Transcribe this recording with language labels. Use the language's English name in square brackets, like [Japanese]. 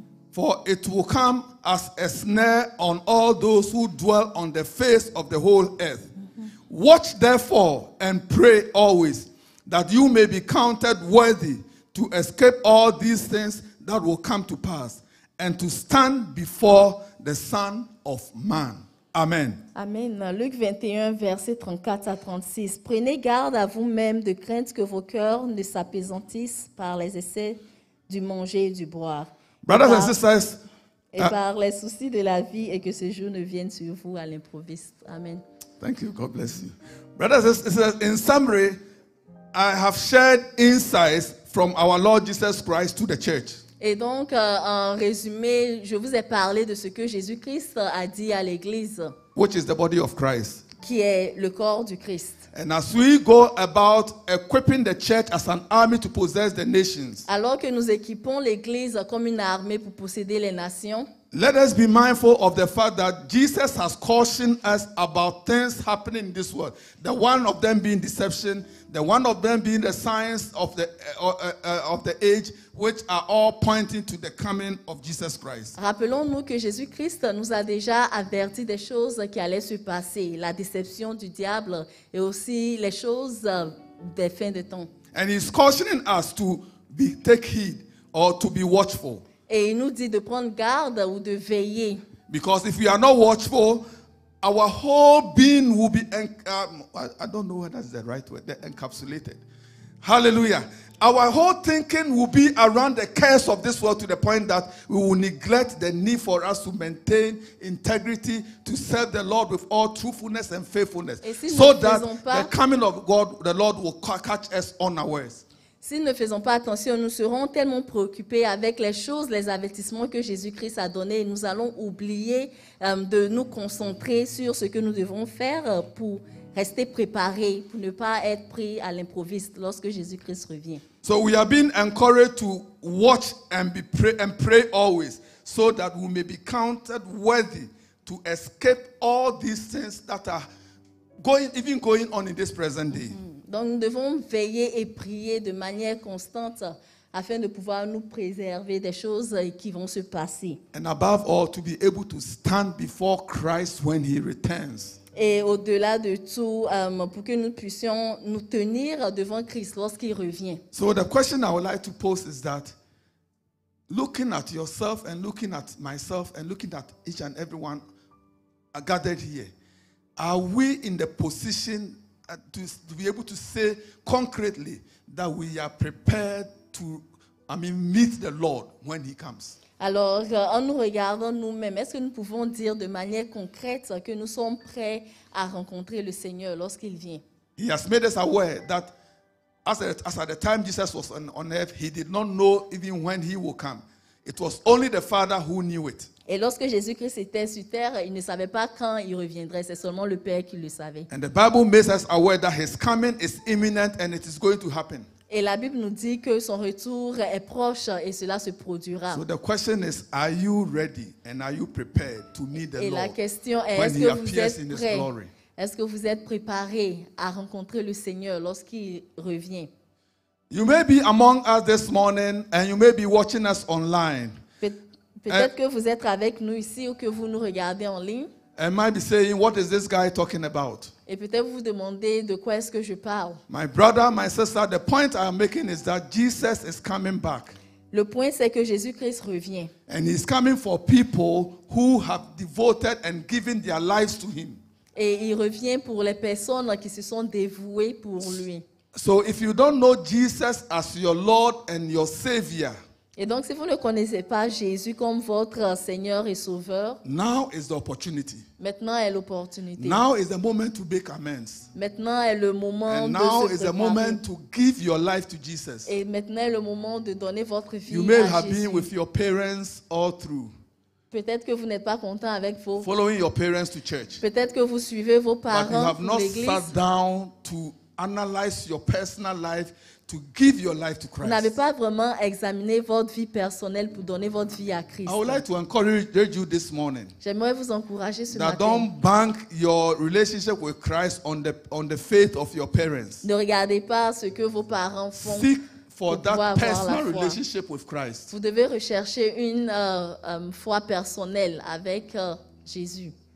[English] For it will come as a snare on all those who dwell on the face of the whole earth. Watch therefore and pray always, that you may be counted worthy to escape all these things that will come to pass, and to stand before the Son of Man." Amen. [French] Amen. Luc 21, versets 34 à 36. Prenez garde à vous-même de crainte que vos cœurs ne s'apaisantissent par les essais du manger et du boire. [English] Brothers and sisters, [French] et par les soucis de la vie et que ce jour ne vienne sur vous à l'improviste. Amen. [English] Thank you. God bless you. Brothers and sisters, in summary, I have shared insights from our Lord Jesus Christ to the church. [French] Et donc, en résumé, je vous ai parlé de ce que Jésus-Christ a dit à l'Église. [English] Which is the body of Christ. [French] Qui est le corps du Christ. [English] And as we go about equipping the church as an army to possess the nations. [French] Alors que nous équipons l'Église comme une armée pour posséder les nations. [English] Let us be mindful of the fact that Jesus has cautioned us about things happening in this world. The one of them being deception. The one of them being the signs of the age, which are all pointing to the coming of Jesus Christ. [French] Rappelons-nous que Jésus-Christ nous a déjà averti des choses qui allaient se passer, la déception du diable et aussi les choses des fins de temps. [English] And he's cautioning us to be take heed or to be watchful. [French] Et il nous dit de prendre garde ou de veiller. [English] Because if we are not watchful, our whole being will be encapsulated. Hallelujah. Our whole thinking will be around the cares of this world to the point that we will neglect the need for us to maintain integrity, to serve the Lord with all truthfulness and faithfulness. So that the coming of God, the Lord, will catch us unawares. [French] Si nous ne faisons pas attention, nous serons tellement préoccupés avec les choses, les avertissements que Jésus-Christ a donnés, nous allons oublier de nous concentrer sur ce que nous devons faire pour rester préparés, pour ne pas être pris à l'improviste lorsque Jésus-Christ revient. [English] So we have been encouraged to watch and be pray always, so that we may be counted worthy to escape all these things that are going on in this present day. Mm-hmm. [French] Donc nous devons veiller et prier de manière constante afin de pouvoir nous préserver des choses qui vont se passer. [English] And above all, to be able to stand before Christ when he returns. [French] Et au-delà de tout, pour que nous puissions nous tenir devant Christ lorsqu'il revient. [English] So the question I would like to pose is that looking at yourself and looking at myself and looking at each and everyone gathered here, are we in the position to be able to say concretely that we are prepared to, meet the Lord when he comes. [French] Alors, en nous regardant nous-mêmes, est-ce que nous pouvons dire de manière concrète que nous sommes prêts à rencontrer le Seigneur lorsqu'il vient? [English] He has made us aware that as at the time Jesus was on earth, he did not know even when he will come. It was only the Father who knew it. [French] Et lorsque Jésus-Christ était sur terre, il ne savait pas quand il reviendrait. C'est seulement le Père qui le savait. [English] And the Bible makes us aware that his coming is imminent and it is going to happen. [French] Et la Bible nous dit que son retour est proche et cela se produira. [English] So the question is, are you ready and are you prepared to meet the Lord? [French] Et la question est, est-ce que vous êtes prêt? Est-ce que vous êtes préparé à rencontrer le Seigneur lorsqu'il revient? [English] You may be among us this morning and you may be watching us online. [French] Peut-être que vous êtes avec nous ici ou que vous nous regardez en ligne. [English] And might be saying, what is this guy talking about? [French] Et peut-être vous demandez de quoi est-ce que je parle. [English] My brother, my sister, the point I am making is that Jesus is coming back. [French] Le point c'est que Jésus-Christ revient. [English] And he's coming for people who have devoted and given their lives to him. [French] Et il revient pour les personnes qui se sont dévouées pour lui. [English] So if you don't know Jesus as your Lord and your Savior. [French] Et donc si vous ne connaissez pas Jésus comme votre Seigneur et Sauveur. [English] Now is the opportunity. [French] Maintenant est l'opportunité. [English] Now is the moment to make amends. [French] Maintenant est le moment [English] and [French] de [English] now [French] se [English] is the moment to give your life to Jesus. [French] Et maintenant est le moment de donner votre vie à Jésus. [English] You may have been with your parents all through. [French] Peut-être que vous n'êtes pas content avec vos [English] following your parents to church. [French] Peut-être que vous suivez vos parents. [English] But you have not sat down to analyze your personal life to give your life to Christ. [French] Vous n'avez pas vraiment examiné votre vie personnelle pour donner votre vie à Christ. [English] I would like to encourage you this morning. [French] J'aimerais vous encourager ce matin. [English] That don't bank your relationship with Christ on the faith of your parents. [French] Ne regardez pas ce que vos parents font. [English] Seek for that personal relationship with Christ. [French] Vous devez rechercher une foi personnelle avec Jésus.